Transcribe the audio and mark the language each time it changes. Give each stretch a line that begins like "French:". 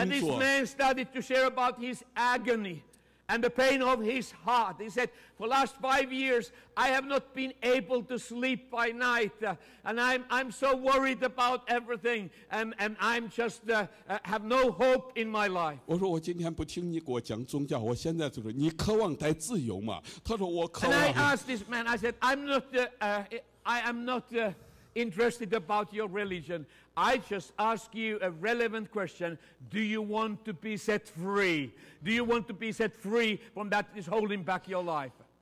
English: And this man started to share about his agony and the pain of his heart. He said, "For the last 5 years, I have not been able to sleep by night, and I'm so worried about everything, and I'm just have no hope in my life."
Chinese: 我说我今天不听你给我讲宗教，我现在就是你渴望得自由吗？他说我渴望。
English: And I asked this man. I said, "I am not interested about your religion. I just ask you a relevant question. Do you want to be set free? Do you want to be set free from that is holding back your life?"